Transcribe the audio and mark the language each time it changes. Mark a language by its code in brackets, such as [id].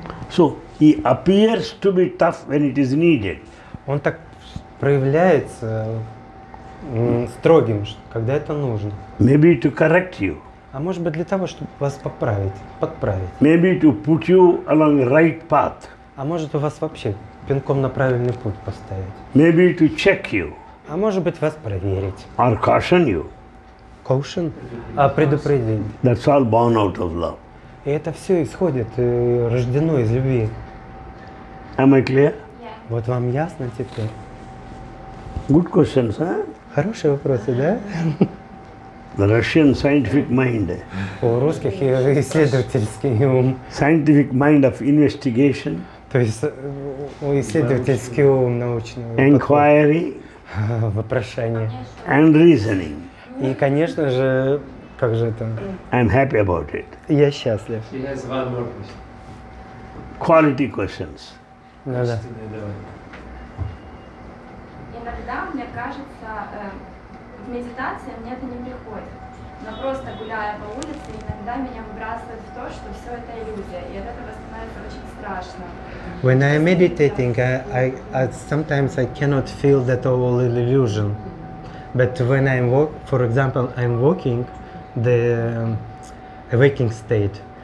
[en] So he appears to be tough when it is needed. [ru] Он так проявляется строгим, когда это нужно. [en] Maybe to correct you. [ru] А может быть для того, чтобы вас поправить, подправить. [en] Maybe to put you along the right path. [ru] А может у вас вообще пинком на правильный путь поставить. [en] Maybe to check you. [ru] А может быть вас проверить. [en] Or caution you. [ru] Caution? А предупредить. [en] That's all born out of love. [ru] И это все исходит, рождено из любви. [en] Am I clear? Yeah. [ru] Вот вам ясно теперь? [en] Good questions, а? [ru] Хорошие вопросы, да? [en] The Russian scientific mind. [ru] У русских исследовательский ум. [en] Scientific mind of investigation. [ru] То есть исследовательский ум научный. [en] Inquiry. [ru] Вопрошение. [en] And reasoning. [ru] И, конечно же, как же это? [en] I'm happy about it. [ru] Я счастлив. [en] He has one more question. Quality questions. [ru] Ну, да. Иногда мне кажется, в медитации мне это не приходит. Но просто гуляя по улице, иногда меня выбрасывает в то, что все это иллюзия. И от этого становится очень страшно. [en] When I am meditating, sometimes I cannot feel that all is illusion. But when I walk, for example, I'm walking, the waking state,